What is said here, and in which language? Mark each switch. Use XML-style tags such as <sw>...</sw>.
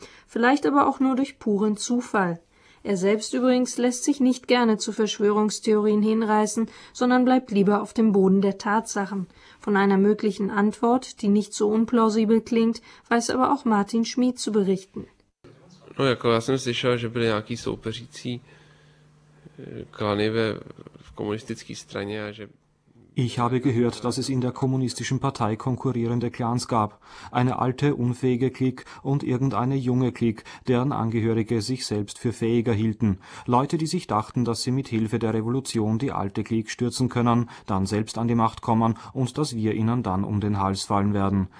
<de>Vielleicht aber auch nur durch puren Zufall. Er selbst übrigens lässt sich nicht gerne zu Verschwörungstheorien hinreißen, sondern bleibt lieber auf dem Boden der Tatsachen. Von einer möglichen Antwort, die nicht so unplausibel klingt, weiß aber auch Martin Schmid zu berichten.</de> <cs>No, jako já jsem slyšel, že byly nějaký soupeřící klany ve komunistické straně a že...</cs> <de>Ich habe gehört, dass es in der kommunistischen Partei konkurrierende Clans gab. Eine alte, unfähige Clique und irgendeine junge Clique, deren Angehörige sich selbst für fähiger hielten. Leute, die sich dachten, dass sie mit Hilfe der Revolution die alte Clique stürzen können, dann selbst an die Macht kommen und dass wir ihnen dann um den Hals fallen werden.</de>